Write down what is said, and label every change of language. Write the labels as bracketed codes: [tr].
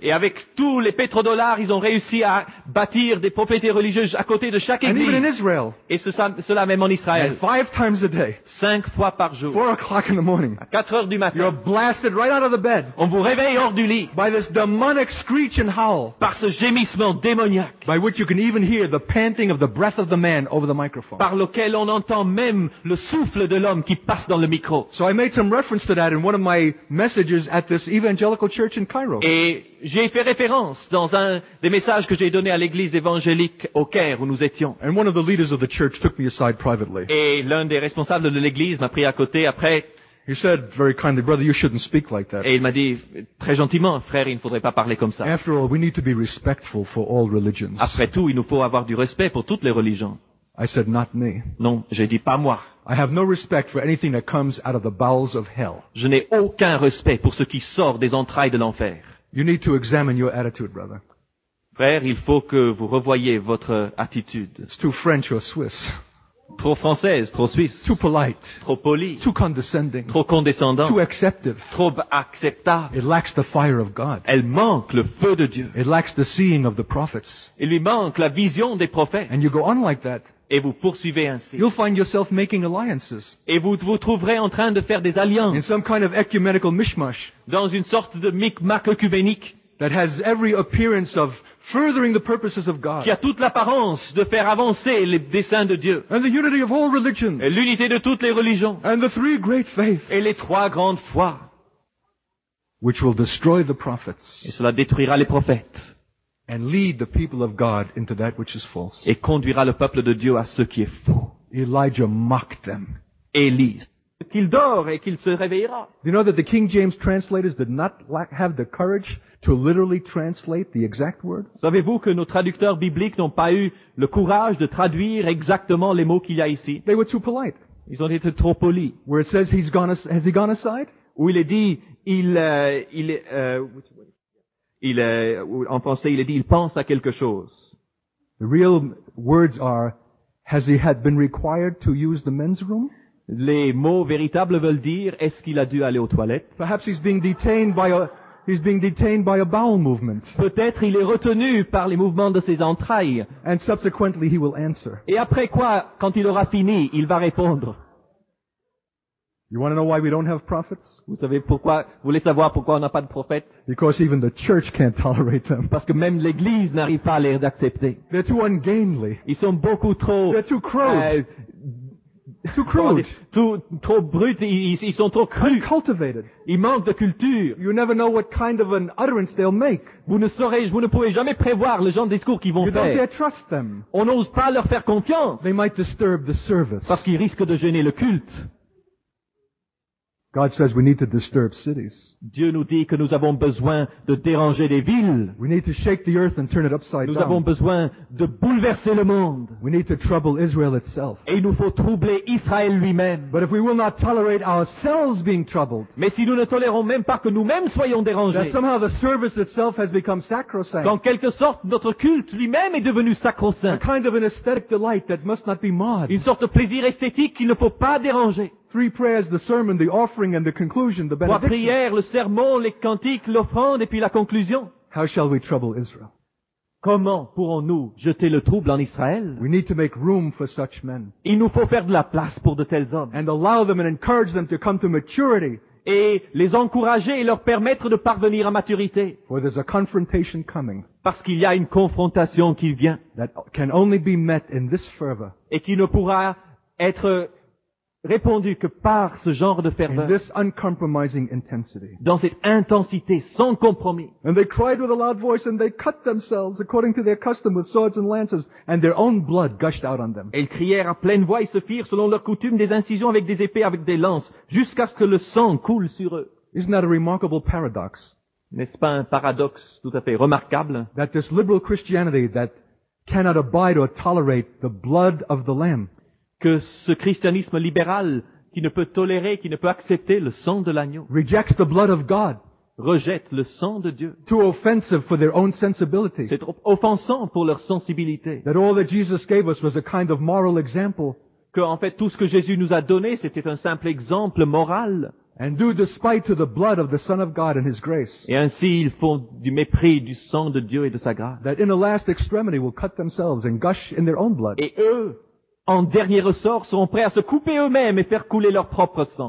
[fr] Et avec tous les pétrodollars, ils ont réussi à bâtir des propriétés religieuses à côté de chaque église. [en] And even in Israel. [fr] Et cela même en Israël. [en] And five times a day. [fr] Cinq fois par jour. [en] 4 o'clock in the morning. [fr] À 4 heures du matin. [en] You're blasted right out of the bed. [fr] On vous réveille hors du lit. [en] By this demonic screech and howl. [fr] Par ce gémissement démoniaque. [en] By which you can even hear the panting of the breath of the man over the microphone. [fr] Par lequel on entend même le souffle de l'homme qui passe dans le micro. [en] So I made some reference that in one of my messages at this evangelical church in Cairo. [fr] Et j'ai fait référence dans un des messages que j'ai donné à l'église évangélique au Caire où nous étions. [en] And one of the leaders of the church took me aside privately. [fr] Et l'un des responsables de l'église m'a pris à côté après. [en] He said very kindly, brother, you shouldn't speak like that. [fr] Et il m'a dit très gentiment, frère, il ne faudrait pas parler comme ça. [en] After all, we need to be respectful for all religions. [fr] Après tout, il nous faut avoir du respect pour toutes les religions. [en] I said not me. [fr] Non, j'ai dit pas moi. [en] I have no respect for anything that comes out of the bowels of hell. [fr] Je n'ai aucun respect pour ce qui sort des entrailles de l'enfer. [en] You need to examine your attitude, brother. [fr] Frère, il faut que vous revoyiez votre attitude. [en] It's too French or Swiss. [fr] Trop française, trop suisse. [en] Too polite. [fr] Trop poli. [en] Too condescending. [fr] Trop condescendant. [en] Too acceptive. [fr] Trop acceptable. [en] It lacks the fire of God. [fr] Elle manque le feu de Dieu. [en] It lacks the seeing of the prophets. [fr] Il lui manque la vision des prophètes. [en] And you go on like that. [fr] Et vous poursuivez ainsi. [en] You'll find yourself making alliances. [fr] Et vous vous trouverez en train de faire des alliances. [en] In some kind of ecumenical mishmash. [fr] Dans une sorte de micmac œcuménique. [en] That has every appearance of furthering the purposes of God. [fr] Qui a toute l'apparence de faire avancer les desseins de Dieu. [en] And the unity of all religions. [fr] Et l'unité de toutes les religions. [en] And the three great faiths. [fr] Et les trois grandes foi. [en] which will destroy the prophets. [fr] Et cela détruira les prophètes. [en] And lead the people of God into that which is false. [fr] Et conduira le peuple de Dieu à ce qui est faux. [en] Elijah mocked them. [fr] Élie. Qu'il dort et qu'il se réveillera. [en] You know that the King James translators did not have the courage to literally translate the exact word? [fr] Savez-vous que nos traducteurs bibliques n'ont pas eu le courage de traduire exactement les mots qu'il y a ici? [en] They were too polite. [fr] Ils ont été trop polis. [en] Where it says he's gone, has he gone aside? [fr] Où il est dit, il pense à quelque chose. [en] The real words are, has he had been required to use the men's room? [fr] Les mots véritables veulent dire, est-ce qu'il a dû aller aux toilettes? [en] Perhaps he's being detained by a bowel movement. [fr] Peut-être il est retenu par les mouvements de ses entrailles. [en] And subsequently he will answer. [fr] Et après quoi, quand il aura fini, il va répondre. [en] You want to know why we don't have prophets? [fr] Vous savez pourquoi, vous voulez savoir pourquoi on n'a pas de prophètes? [en] Because even the church can't tolerate them. [fr] Parce que même l'église n'arrive pas à les accepter. [en] They're too ungainly. [fr] Ils sont beaucoup trop... [en] They're too crude. Too crude. [fr] Trop brut. Ils sont trop crus. [en] Uncultivated. [fr] Ils manquent de culture. [en] You never know what kind of an utterance they'll make. [fr] Vous ne pouvez jamais prévoir le genre de discours qu'ils vont you faire. [en] You don't dare trust them. [fr] On n'ose pas leur faire confiance. [en] They might disturb the service. [fr] Parce qu'ils risquent de gêner le culte. [en] God says we need to disturb cities. [fr] Dieu nous dit que nous avons besoin de déranger des villes. [en] We need to shake the earth and turn it upside [fr] nous [en] down. [fr] Avons besoin de bouleverser le monde. [en] We need to trouble Israel itself. [fr] Et il nous faut troubler Israël lui-même. [en] But if we will not tolerate ourselves being troubled, [fr] mais si nous ne tolérons même pas que nous-mêmes soyons dérangés, [en] that somehow the service itself has become sacrosanct. [fr] Qu'en quelque sorte, notre culte lui-même est devenu sacro-saint. [en] A kind of an aesthetic delight that must not be marred. [fr] Une sorte de plaisir esthétique qu'il ne faut pas déranger. [en] Three prayers, the sermon, the offering, and the conclusion, the benediction. [fr] Trois prières, le sermon, les cantiques, l'offrande, et puis la conclusion. [en] How shall we trouble Israel? [fr] Comment pourrons-nous jeter le trouble en Israël? [en] We need to make room for such men. [fr] Il nous faut faire de la place pour de tels hommes. [en] And allow them and encourage them to come to maturity. [fr] Et les encourager et leur permettre de parvenir à maturité. [en] For there's a confrontation coming. [fr] Parce qu'il y a une confrontation qui vient. [en] That can only be met in this fervor. [fr] Et qui ne pourra être répondu que par ce genre de ferveur, [en] in this uncompromising intensity, [fr] dans cette intensité sans compromis, [en] and they cried with a loud voice and they cut themselves according to their custom with swords and lances, and their own blood gushed out on them. [fr] Et ils crièrent à pleine voix et se firent selon leur coutume des incisions avec des épées, avec des lances, jusqu'à ce que le sang coule sur eux. [en] Isn't that a remarkable paradox? [fr] N'est-ce pas un paradoxe tout à fait remarquable? [en] That this liberal Christianity that cannot abide or tolerate the blood of the Lamb. [fr] Que ce christianisme libéral qui ne peut tolérer, qui ne peut accepter le sang de l'agneau, [en] rejects the blood of God, [fr] rejette le sang de Dieu. [en] Too offensive for their own sensibility. [fr] C'est trop offensant pour leur sensibilité. [en] That all that Jesus gave us was a kind of moral example. [fr] Que en fait tout ce que Jésus nous a donné, c'était un simple exemple moral. [en] And do despite to the blood of the Son of God and His grace. [fr] Et ainsi ils font du mépris du sang de Dieu et de sa grâce. [en] That in a last extremity will cut themselves and gush in their own blood. [fr] Et eux, en dernier ressort, seront prêts à se couper eux-mêmes et faire couler leur propre sang.